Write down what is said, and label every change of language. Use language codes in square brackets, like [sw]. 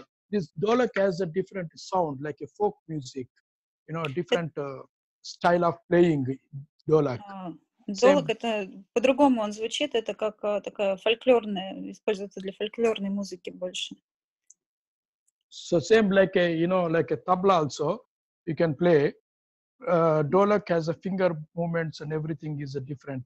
[en] This dholak has a different sound, like a folk music, you know, a different style of playing dholak. [ru] Dholak это по-другому он звучит, это как такая фольклорная, используется для фольклорной музыки больше. [en] So same like a, you know, like a tabla also, you can play. Dholak has a finger movements and everything is a different.